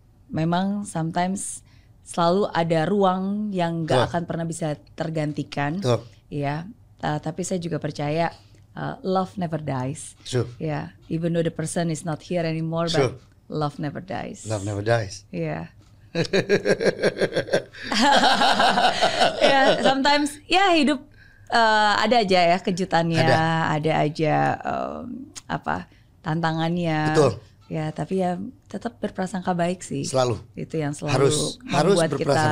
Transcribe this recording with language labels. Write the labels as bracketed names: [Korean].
[Indonesian] Memang sometimes selalu ada ruang yang gak akan pernah bisa tergantikan. Iya. Tapi saya juga percaya [English] love never dies. True. Yeah, even though the person is not here anymore, true. But love never dies. Love never dies. Yeah. [Indonesian] Yeah, sometimes yeah, hidup ada aja ya kejutannya, ada aja apa tantangannya. Betul. Ya, tapi ya tetap berprasangka baik sih. Selalu. Itu yang selalu harus, membuat berprasangka